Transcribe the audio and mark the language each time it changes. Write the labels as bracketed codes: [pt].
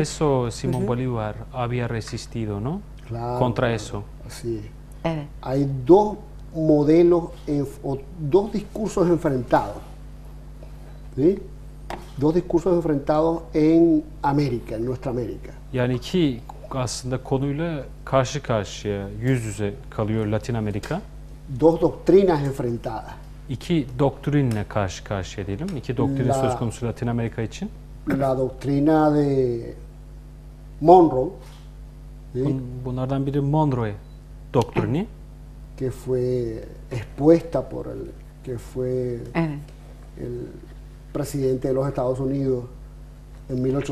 [es] eso, Simón Bolívar había resistido, ¿no? Claro. Contra eso. Sí. [tr] Evet. [es] Hay dos modelos o dos discursos enfrentados, ¿sí? Dos discursos enfrentados en América, en nuestra América. [tr] Yani ki aslında konuyla karşı karşıya yüz yüze kalıyor Latin Amerika. [es] Dos doctrinas enfrentadas. [tr] İki doktrinle karşı karşıya diyelim. İki doktrin söz konusu Latin Amerika için. [es] La doctrina de Monroe. [tr] Bunlardan biri Monroe doktrini. [es] Que fue expuesta por el que fue el presidente de los Estados Unidos en